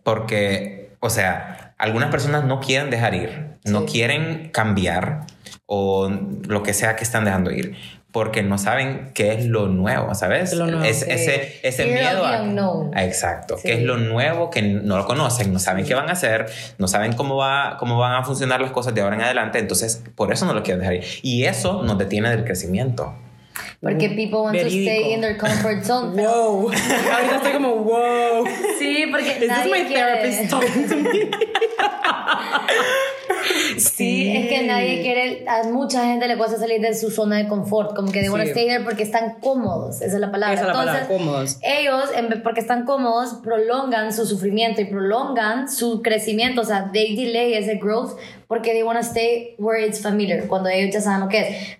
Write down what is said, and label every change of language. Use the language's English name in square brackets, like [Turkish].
[Spanish] Porque, o sea, algunas personas no quieren dejar ir, no quieren cambiar, o lo que sea que están dejando ir, porque no saben qué es lo nuevo, ¿sabes? Lo nuevo, ese miedo a exacto, qué es lo nuevo, que no lo conocen, no saben qué van a hacer, no saben cómo van a funcionar las cosas de ahora en adelante. Entonces, por eso no lo quieren dejar ir, y eso nos detiene del crecimiento. Porque [English] people want to stay in their comfort zone. [Spanish] Wow. Ahorita estoy como wow. Sí, porque [English] is this my therapist talking to me? [Spanish] Sí, es que nadie quiere, a mucha gente le cuesta salir de su zona de confort, como que [English] they want to stay there [Spanish] porque están cómodos, esa es la palabra. Esa es la palabra. Entonces, cómodos. Ellos, porque están cómodos, prolongan su sufrimiento y prolongan su crecimiento, o sea, [English] they delay [Spanish] ese growth porque [English] they want to stay where it's familiar, [Spanish] cuando ellos ya saben lo que es.